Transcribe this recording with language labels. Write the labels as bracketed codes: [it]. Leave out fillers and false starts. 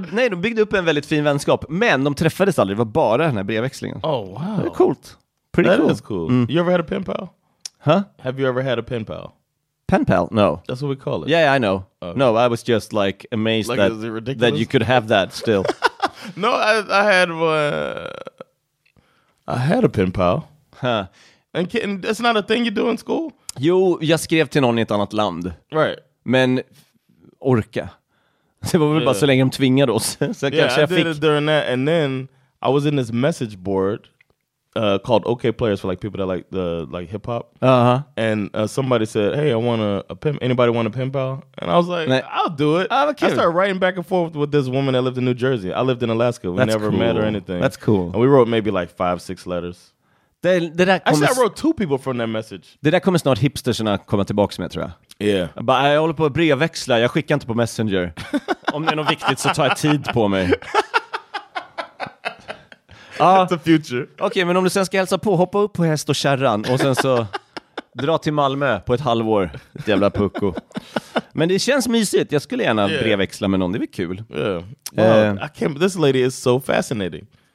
[sv] De byggde upp en väldigt fin vänskap, men de träffades aldrig. Det var bara den här brevväxlingen. [en] Oh wow. [sv] Det är coolt. Pretty [en] that cool. Is cool. Mm. You ever had a pen pal? Huh? Have you ever had a pen pal? Pen pal? No. That's what we call it. Yeah, I know. Okay. No, I was just like amazed that you could have that still. No, I had one. I had a pen pal. Huh. And that's not a thing you do in school? [sv] Jo, jag skrev till någon i ett annat land. [en] Right. [sv] Men orka. Det var väl bara så länge de tvingade oss. Så [en] yeah, [sv] kanske [en] I did it during that. And then I was in this message board called OK Players for like people that like the like hip hop. Uh-huh. And somebody said, hey, I want a pimp. Anybody want a pen pal? And I was like, I'll do it. I'm a kid. I started writing back and forth with this woman that lived in New Jersey. I lived in Alaska. We That's never cool. met or anything. That's cool. And we wrote maybe like 5-6 letters. I wrote two people from that message. [sv] Det där kommer snart hipstersna komma tillbaka med, tror jag. [en] Yeah. [sv] Bara, jag håller på att brevväxla. Jag skickar inte på Messenger. Om det är något viktigt så tar jag tid på mig. [en] It's the future. [sv] Okej, men om du sen ska hälsa på, hoppa upp på häst och kärran och sen så dra till Malmö på ett halvår. Ett jävla pucko. Men det känns mysigt. Jag skulle gärna brevväxla med någon. Det är kul. [en] Yeah. Well, this lady is so fascinating.